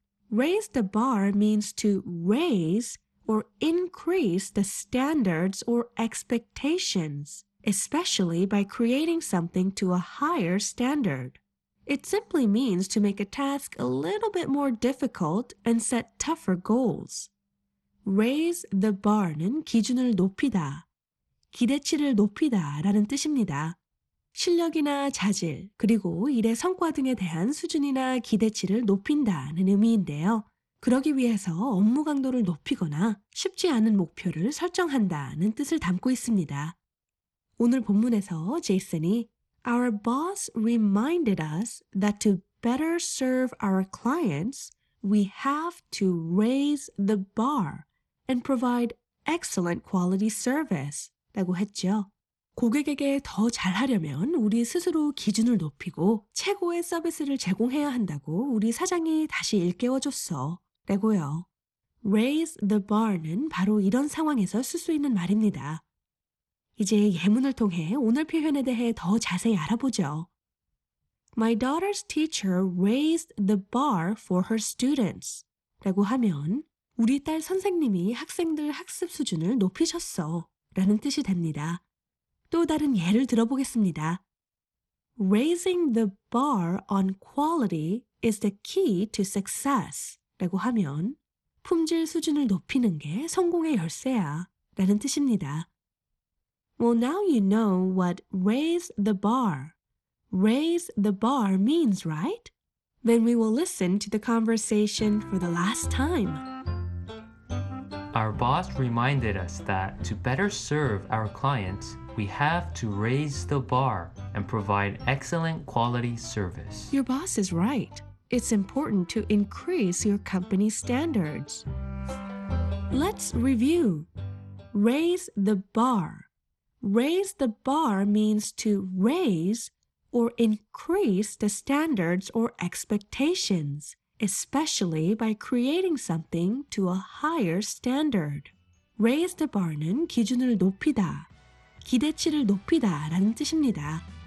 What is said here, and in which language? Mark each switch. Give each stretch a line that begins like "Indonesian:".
English: Raise the bar means to raise or increase the standards or expectations, especially by creating something to a higher standard. It simply means to make a task a little bit more difficult and set tougher goals. Raise the bar는
Korean: 기준을 높이다, 기대치를 높이다라는 뜻입니다. 실력이나 자질, 그리고 일의 성과 등에 대한 수준이나 기대치를 높인다는 의미인데요. 그러기 위해서 업무 강도를 높이거나 쉽지 않은 목표를 설정한다는 뜻을 담고 있습니다. 오늘 본문에서 제이슨이
English: Our boss reminded us that to better serve our clients, we have to raise the bar and provide excellent quality service.
Korean: 라고 했죠. 고객에게 더 잘하려면 우리 스스로 기준을 높이고 최고의 서비스를 제공해야 한다고 우리 사장이 다시 일깨워줬어. 라고요. Raise the bar는 바로 이런 상황에서 쓸 수 있는 말입니다. 이제 예문을 통해 오늘 표현에 대해 더 자세히 알아보죠.
English: My daughter's teacher raised the bar for her students.
Korean: 라고 하면 우리 딸 선생님이 학생들 학습 수준을 높이셨어 라는 뜻이 됩니다. 또 다른 예를 들어보겠습니다.
English: Raising the bar on quality is the key to success.
Korean: 라고 하면 품질 수준을 높이는 게 성공의 열쇠야 라는 뜻입니다.
English: Well, now you know what raise the bar means, right? Then we will listen to the conversation for the last time. Our boss reminded us that to better serve our clients, we have to raise the bar and provide excellent quality service. Your boss is right. It's important to increase your company's standards. Let's review. Raise the bar. Raise the bar means to raise or increase the standards or expectations, especially by creating something to a higher standard. Raise the bar는
Korean: 기준을 높이다, 기대치를 높이다라는 뜻입니다.